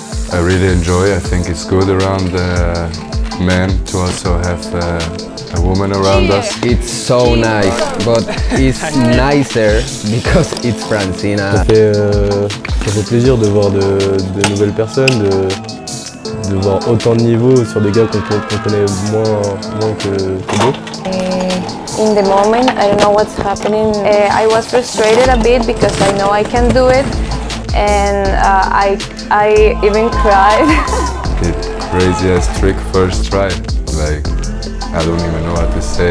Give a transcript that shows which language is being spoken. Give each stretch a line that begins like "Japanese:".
English: I really enjoy. I think it's good around the men to also have a woman around us. It's so nice, but it's nicer because it's Francina.
French: Ça fait plaisir de voir de nouvelles personnes, de voir autant de niveaux sur des gars qu'on connaît moins que d'autres.
English: In the moment, I don't know what's happening. I was frustrated a bit because I know I can do it, and I even cried. The craziest trick first try. Like, I don't even know what to say.